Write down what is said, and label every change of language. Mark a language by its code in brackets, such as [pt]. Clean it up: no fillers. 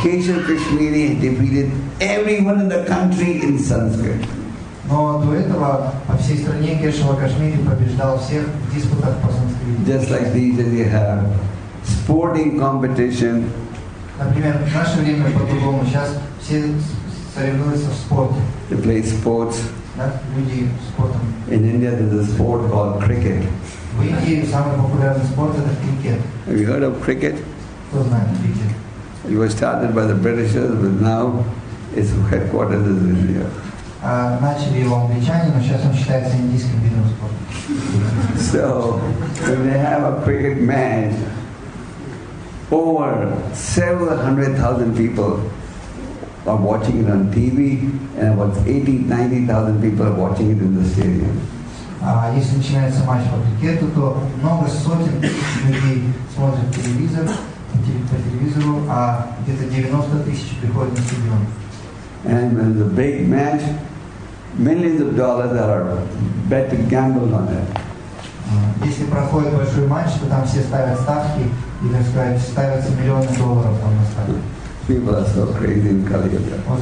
[en] Keshav Kashmir defeated everyone in the country in Sanskrit. [ru] Но до этого по всей стране Keshav Kashmir побеждал всех в диспутах по санскриту. [en] Just like these that you have. Sporting competition. [ru] Например, в наше время по-другому сейчас все соревнуются в спорте. [en] They play sports. [ru] Да, люди спортом. [en] In India there's a sport called cricket. [ru] В Индии самый популярный спорт это крикет. [en] Have you heard of cricket? [ru] Кто знает крикет? [en] It was started by the Britishers, but now its headquarters is in India. [ru] Начали его англичане, но сейчас он считается индийским видом спорта. [en] So, when they have a cricket match, over 700,000 people are watching it on TV, and about 80,000-90,000 people are watching it in the stadium. [ru] Если начинается матч по крикету, то много сотен людей смотрят телевизор, по телевизору, а где-то 90 тысяч приходят на стадион. [en] And when the big match, millions of dollars are bet and gambled on it. [ru] Если проходит большой матч, то там все ставят ставки, и, так сказать, ставятся миллионы долларов там на ставки. [en] People are so crazy in Kali Yuga.